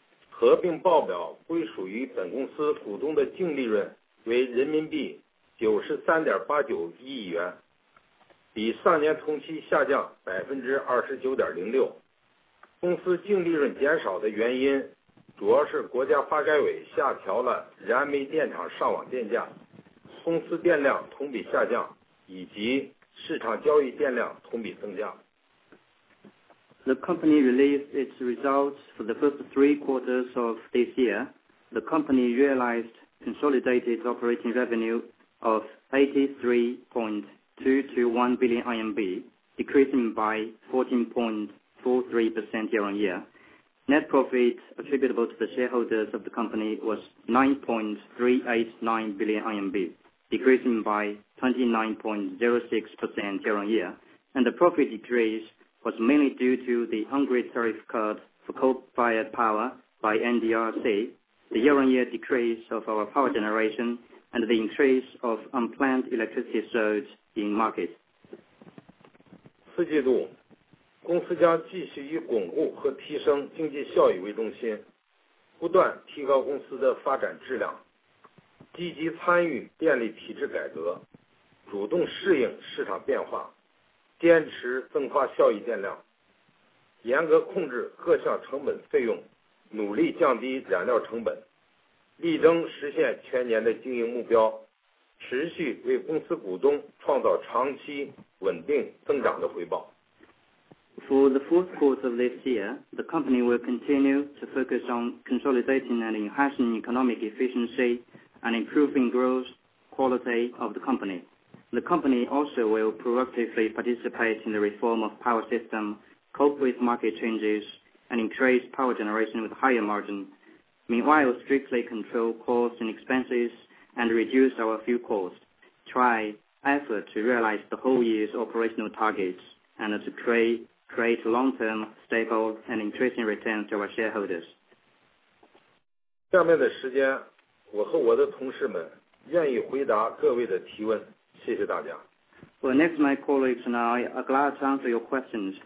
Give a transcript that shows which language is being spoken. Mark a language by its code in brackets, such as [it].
[zh] 合并报表归属于本公司股东的净利润为人民币 93.89 亿元，比上年同期下降 29.06%。公司净利润减少的原因主要是国家发改委下调了燃煤电厂上网电价，公司电量同比下降，以及市场交易电量同比增加。 [en] The company released its results for the first three quarters of this year. The company realized consolidated operating revenue of 83.221 billion RMB, decreasing by 14.43% year-on-year. Net profit attributable to the shareholders of the company was 9.389 billion RMB, decreasing by 29.06% year-on-year. And the profit decrease was mainly due to the ungrid tariff cut for coal-fired power by NDRC, the year-on-year decrease of our power generation, and the increase of unplanned electricity surge. [zh] 四季度，公司将继续以巩固和提升经济效益为中心，不断提高公司的发展质量，积极参与电力体制改革，主动适应市场变化，坚持增发效益电量，严格控制各项成本费用，努力降低燃料成本，力争实现全年的经营目标，持续为公司股东创造长期稳定增长的回报。 [en] For the fourth quarter of this year, the company will continue to focus on consolidating and enhancing economic efficiency and improving growth quality of the company. The company also will proactively participate in the reform of power system, cope with market changes, and increase power generation with higher margin. Meanwhile, strictly control costs and expensesand reduce our fuel cost, try effort to realize the whole year's operational targets, and to create long-term, stable, and increasing returns to our shareholders. [zh] 下面的时间，我和我的同事们愿意回答各位的提问，谢谢大家。 [en] Well, next, my colleagues and I are glad to answer your questions.